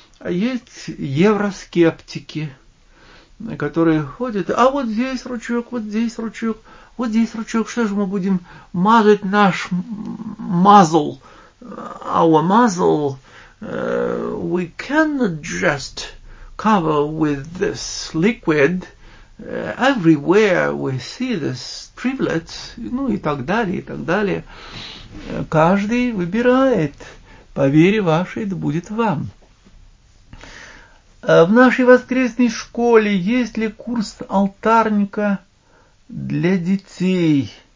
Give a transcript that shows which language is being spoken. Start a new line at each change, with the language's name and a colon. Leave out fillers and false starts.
Russian: А есть евроскептики, которые ходят, а вот здесь ручеек, вот здесь ручеек, вот здесь ручеек, что же мы будем мазать наш мазл?
English: Our muzzle, we cannot just cover with this liquid. Everywhere we see this triplet,
Russian: ну и так далее, и так далее. Каждый выбирает, по вере вашей, да будет вам. В нашей воскресной школе есть ли курс алтарника для детей?